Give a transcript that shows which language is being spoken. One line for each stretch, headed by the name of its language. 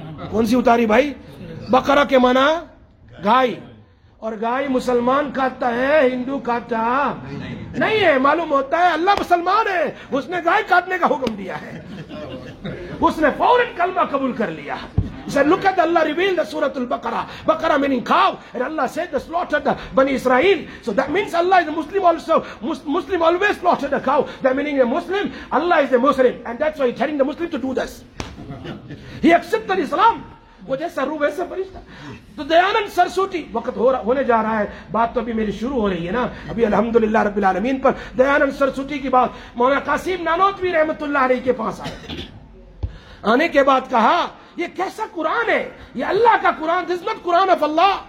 Urdu: کون سی اتاری بھائی؟ بقرہ کے معنی گائے. اور گائے مسلمان کھاتا ہے ہندو کھاتا نہیں ہے. معلوم ہوتا ہے اللہ مسلمان ہے, اس نے گائے کاٹنے کا حکم دیا ہے, اس نے فوراً کلمہ قبول کر لیا.
English: Look at Allah revealed the Surah Al-Baqarah. Baqarah meaning cow, and Allah said they slaughtered the Bani Israel. So that means Allah is a Muslim also. Muslim always slaughtered the cow. That meaning a Muslim, Allah is a Muslim, and that's why he's telling the Muslim to do this. He accepted Islam.
Urdu: وہ جیسا رو ویسا فرشتہ. تو دیانند سرسوتی, وقت ہونے جا رہا ہے, بات تو ابھی میری شروع ہو رہی ہے نا, ابھی الحمدللہ رب العالمین پر. دیانند سرسوتی کی بات مولانا قاسم نانوتوی رحمت اللہ علیہ کے پاس آئے, آنے کے بعد کہا یہ کیسا قرآن ہے, یہ اللہ کا قرآن,
English: this is not قرآن of اللہ.